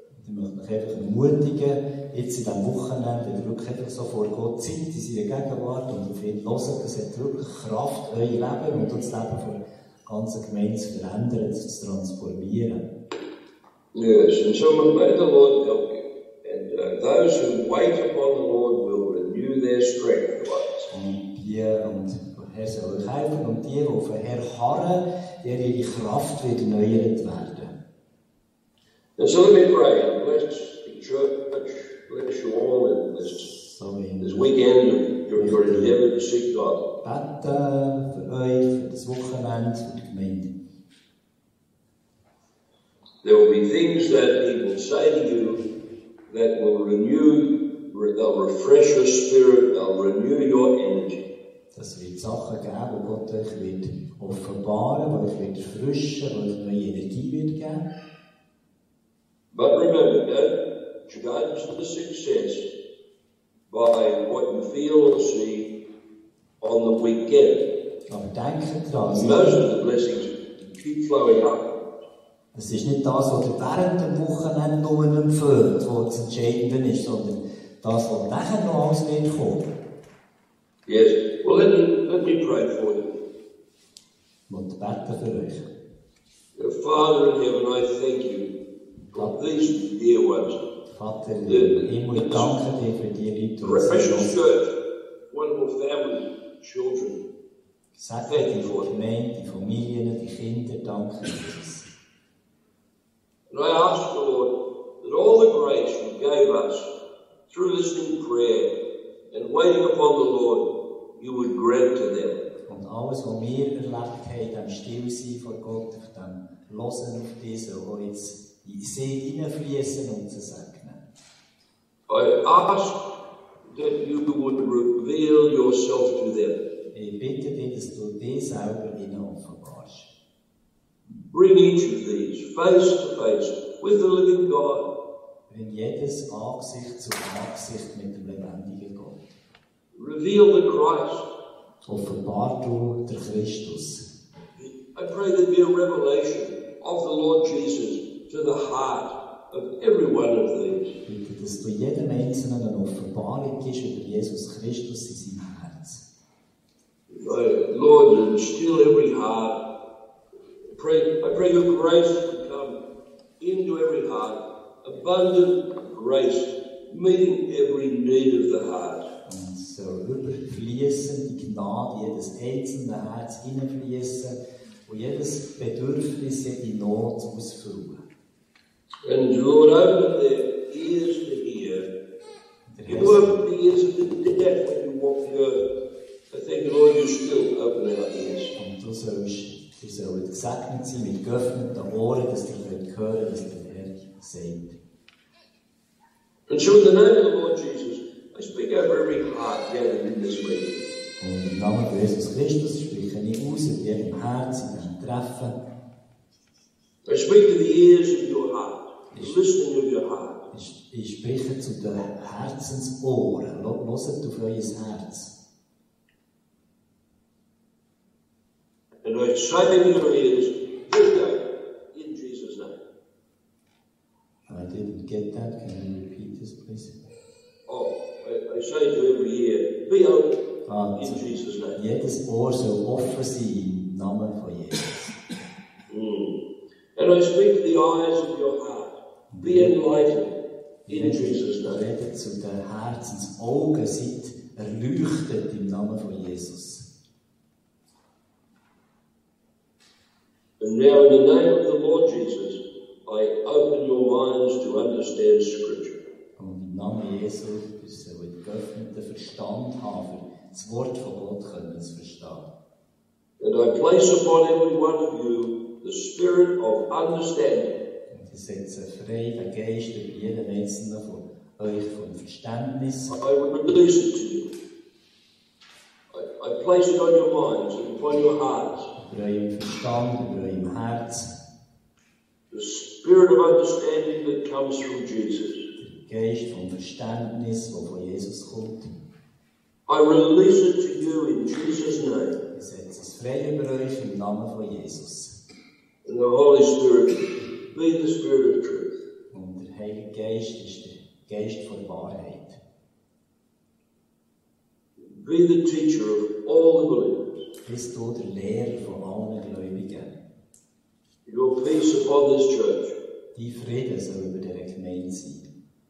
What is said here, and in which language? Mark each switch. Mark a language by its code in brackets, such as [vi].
[de] Ich möchte mich einfach ermutigen, jetzt in diesem Wochenende wirklich einfach so vor Gott Zeit in seiner Gegenwart und auf ihn hören, das hat wirklich Kraft, euer Leben und das Leben von der ganzen Gemeinde zu verändern, zu transformieren. [en] Yes, and so may the Lord help you. And those who wait upon the Lord will renew their strength. [de] Und Herr soll euch helfen und die, die auf den Herr harren, der ihre Kraft wird erneuert werden. [en] And so let me pray and bless the church, bless you all in this weekend of your endeavor to seek God. [de] Bete für euch, für das Wochenende, für die Gemeinde. [en] There will be things that He will say to you that will renew, they'll refresh your spirit, they'll renew your energy. [de] Das wird Sachen geben, die Gott euch wird offenbaren, die euch wird erfrischen, die euch neue Energie wird geben. [en] But remember, don't judge the success by what you feel or see on the weekend. [de] Aber denkt dran, [en] most of the blessings keep flowing up. [de] Es ist nicht das, was während der Wochenende nur empfiehlt, was das Entscheidende ist, sondern das, was nachher noch alles wird kommen. [en] Yes, well let me pray for you. [de] Ich möchte beten für euch. [en] Your Father in heaven, I thank you. Please, dear ones. [de] Vater, ich danke dir für die Leute. [en] Professional Church, wonderful family, children. [de] Sag dir die Gemeinde, die Familien, die Kinder, danke Jesus. [en] And I ask the Lord that all the grace you gave us through listening to prayer and waiting upon the Lord, you would grant to them. [de] Und alles, was wir erlebt haben, dem Stillsein vor Gott, durch dem Losen auf diese, wo jetzt in See hineinfließen und zu segnen. [en] I ask that you would reveal yourself to them. [de] Ich bitte dich, dass du dich selber ihnen offenbarst. [en] Bring each of these face to face with the living God. [de] Bring jedes Angesicht zu Angesicht mit dem lebendigen Gott. [en] Reveal the Christ. [de] Offenbar du der Christus. [en] I pray there be a revelation of the Lord Jesus to the heart of every one of these. [de] Ich bitte, dass du jedem Einzelnen eine Offenbarung gibst über Jesus Christus in seinem Herz. [en] Lord, instill every heart. I pray your grace to come into every heart, abundant grace, meeting every need of the heart. [de] Und so überfließen die Gnade, jedes einzelne Herz hineinfließen und jedes Bedürfnis, jede Not ausfüllen. [en] And Lord, open their ears to hear. You open the ears of the deaf when you walk the earth. I thank you, Lord, you still open our ears. [de] Und du sollst. Sie sollen gesegnet sein mit geöffneten Ohren, dass sie hören können, was der Herr sagt. [en] And so in the name of the Lord Jesus, I speak over every heart gathered in this meeting. [de] Und im Namen von Jesus Christus spreche ich aus in jedem Herz, in diesem Treffen. [en] I speak to the ears of your heart, the listening of your heart. [de] Ich spreche zu den Herzensohren. Hört auf euer Herz. [en] And I say in your ears, this day, in Jesus' name. I didn't get that. Can you repeat this, please? I say to every ear, be open in so Jesus' name. [de] Jedes Ohr soll offen sein im Namen von Jesus. [en] And I speak to the eyes of your heart, be enlightened in Jesus' name. [de] Rede zu deinem Herz, ins Auge seid erleuchtet im Namen von Jesus. [en] And now in the name of the Lord Jesus, I open your minds to understand Scripture. [de] Und im Namen Jesu, du sollst geöffneten Verstand haben, das Wort von Gott können zu verstehen. [en] And I place upon every one of you the spirit of understanding. [de] Und ich setze frei den Geist über jeden Einzelnen von euch vom Verständnis. [en] I release it to you. I place it on your minds and upon your hearts. [de] Über eurem Verstand, über eurem Herz. [en] The spirit of understanding that comes from Jesus. [de] Der Geist vom Verständnis, der von Jesus kommt. [en] I release it to you in Jesus' name. [de] Ich setze es frei über euch im Namen von Jesus. [en] And the Holy Spirit, be the Spirit of Truth. [de] Und der Heilige Geist ist der Geist von Wahrheit. [en] Be the teacher of all the believers. [de] Bist du der Lehrer von allen Gläubigen? [en] Your peace upon this church. [de] Dein Friede soll über dieser Gemeinde sein.